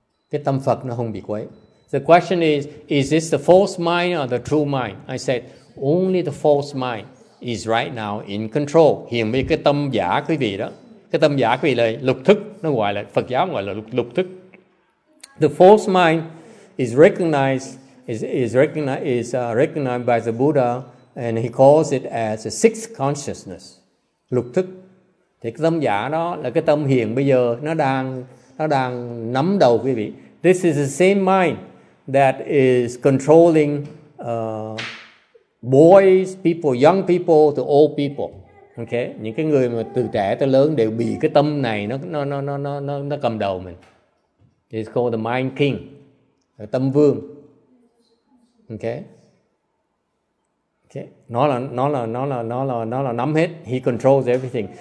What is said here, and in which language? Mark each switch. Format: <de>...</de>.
<vi>Cái tâm Phật nó không bị quấy.</vi> <en>The question is this the false mind or the true mind? I said only the false mind is right now in control.</en> <vi>Hiện bây cái tâm giả quý vị đó, cái tâm giả quý vị là lục thức, nó gọi là Phật giáo gọi là lục thức.</vi> <en>The false mind is recognized by the Buddha, and he calls it as a sixth consciousness, lục thức.</en> <vi>Thì cái tâm giả đó là cái tâm hiện bây giờ nó đang nắm đầu quý vị.</vi> <en>This is the same mind that is controlling boys, people, young people to old people.</en> <vi>Okay, những cái người mà từ trẻ tới lớn đều bị cái tâm này nó cầm đầu mình.</vi> <en>It's called the mind king, tâm vương. Okay.</en> <vi>Nó là nắm hết.</vi> <en>He controls everything.</en>